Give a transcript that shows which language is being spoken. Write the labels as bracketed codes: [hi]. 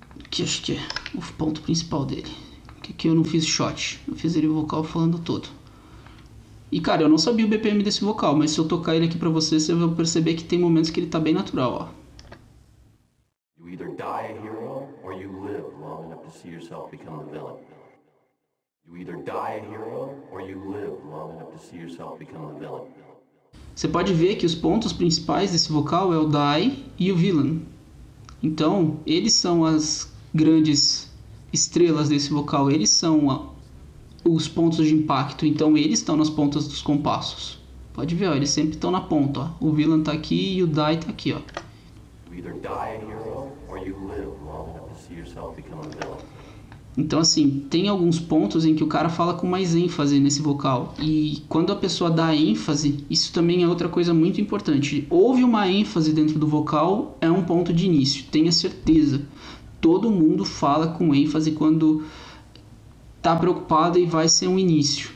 [pt] Que acho que é o ponto principal dele. Que aqui eu não fiz shot, eu fiz ele o vocal falando todo. E cara, eu não sabia o BPM desse vocal, mas se eu tocar ele aqui pra você, você vai perceber que tem momentos que ele tá bem natural, ó. [en] You either die a hero or you live long enough to see yourself become the villain. You either die a hero or you live long enough to see yourself become the villain. [pt] Você pode ver que os pontos principais desse vocal é o die e o villain. Então, eles são as grandes estrelas desse vocal, eles são os pontos de impacto, então eles estão nas pontas dos compassos. Pode ver, ó, eles sempre estão na ponta, ó. O villain tá aqui e o die tá aqui, ó. [en] You either die a hero or you live long enough to see yourself become a villain. [pt] Então, assim, tem alguns pontos em que o cara fala com mais ênfase nesse vocal. E quando a pessoa dá ênfase, isso também é outra coisa muito importante. Houve uma ênfase dentro do vocal, é um ponto de início, tenha certeza. Todo mundo fala com ênfase quando tá preocupado e vai ser um início.